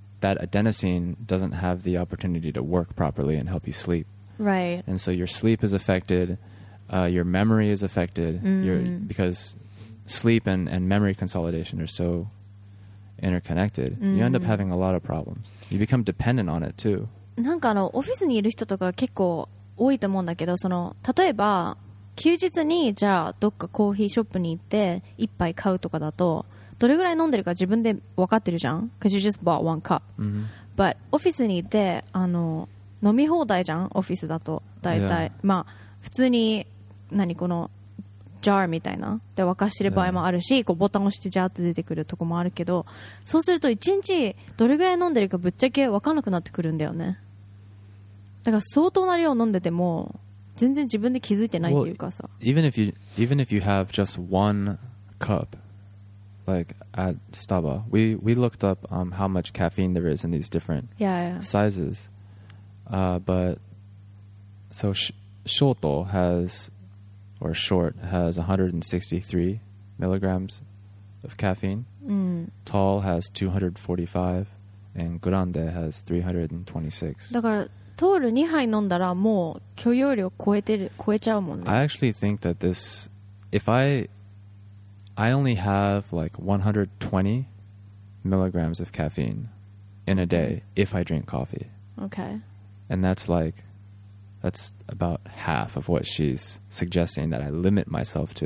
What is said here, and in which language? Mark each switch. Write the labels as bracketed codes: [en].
[en] that adenosine doesn't have the opportunity to work properly and help you sleep. Right. And so your sleep is affected. Your memory is affected. Mm. Because sleep and memory consolidation are so interconnected. Mm. You end up having a lot of problems. You become dependent on it too. [ja] なんかオフィスにいる人とか結構多いと思うんだけど、その例えば休日にじゃあどっかコーヒーショップに行って一杯買うとかだと、どれぐらい飲んでるか自分で分かってるじゃん。 [en] Because you just bought one cup、 mm-hmm. But [ja] オフィスにいて飲み放題じゃん。オフィスだと大体、yeah. まあ普通に何このジャーみたいなで沸かしてる場合もあるし、こうボタン押してジャーって出てくるとこもあるけど、そうすると1日どれぐらい飲んでるかぶっちゃけ分かんなくなってくるんだよね。だから相当な量飲んでても全然自分で気づいてないっていうかさ、 [en] well, even if you have just one cup like at Staba, we looked up how much caffeine there is in these different sizes, but so Shoto has 163 milligrams of caffeine. Mm. Tall has 245 and Grande has [ja] 326. だから、トール2杯飲んだらもう許容量超えちゃうもんね。 [en] I actually think that this, if I only have like 120 milligrams of caffeine in a day if I drink coffee. Okay. And that's like, that's about half of what she's suggesting that I limit myself to.